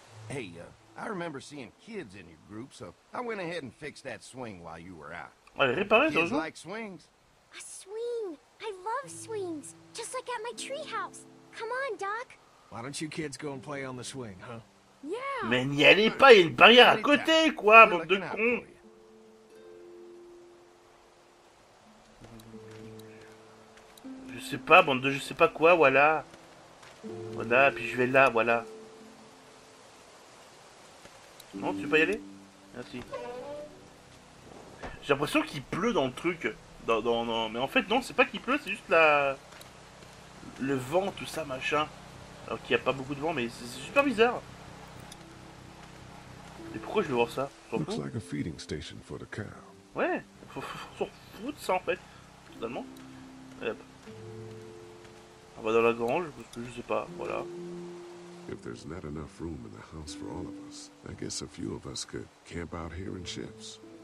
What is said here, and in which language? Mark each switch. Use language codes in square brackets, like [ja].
[en] Hey, I remember seeing kids in your group, so I went ahead and fixed that swing while you were out. [fr] Allez, réparer, [en] kids like swings. A swing. I love swings. Just like at my treehouse. Come on, Doc. Why don't you kids go and play on the swing, huh? Yeah. [fr] Mais n'y allez pas, il y a une barrière à côté, quoi, bande de cons. Je sais pas, bande de je sais pas quoi, voilà. Voilà, puis je vais là, voilà. Non, tu peux y aller? Merci. J'ai l'impression qu'il pleut dans le truc. Mais en fait, non, c'est pas qu'il pleut, c'est juste la... Le vent, tout ça, machin. alors qu'il n'y a pas beaucoup de vent, mais c'est super bizarre. Mais pourquoi je veux voir ça? [en] Looks like a feeding station for the cow. [fr] Ouais, on s'en fout de ça en fait, totalement. Yep. On va dans la grange, parce que je sais pas, voilà. [en] If there's not enough room in the house for all of us, I guess a few of us could camp out here in shifts.